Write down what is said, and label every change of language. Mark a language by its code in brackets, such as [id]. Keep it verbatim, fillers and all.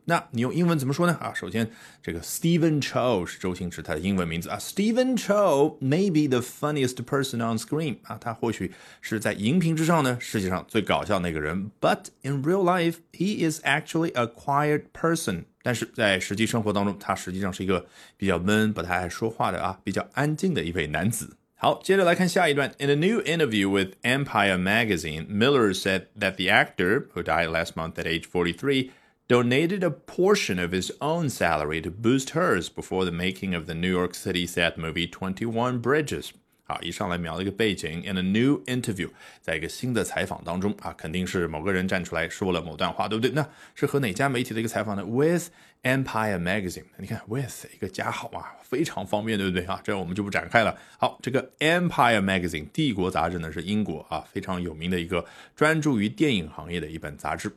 [zh] 那你用英文怎么说呢？啊，首先这个 Stephen Chow 是周星驰他的英文名字啊 ， [en] Stephen Chow may be the funniest person on screen [zh] 啊，他或许是在荧屏之上呢世界上最搞笑那个人 ， [en] but in real life he is actually a quiet person。 [zh] 但是在实际生活当中，他实际上是一个比较闷、不太爱说话的啊，比较安静的一位男子。好，接着来看下一段。 [en] In a new interview with Empire magazine, Miller said that the actor, who died last month at age forty-three, donated a portion of his own salary to boost hers before the making of the New York City set movie twenty-one Bridges. [zh] 好，一上来描了一个背景。 [en] In a new interview, [zh] 在一个新的采访当中啊，肯定是某个人站出来说了某段话，对不对？那是和哪家媒体的一个采访呢？ With Empire magazine， 你看 with 一个加号啊，非常方便，对不对啊？这我们就不展开了。好，这个 Empire magazine 帝国杂志呢是英国啊非常有名的一个专注于电影行业的一本杂志。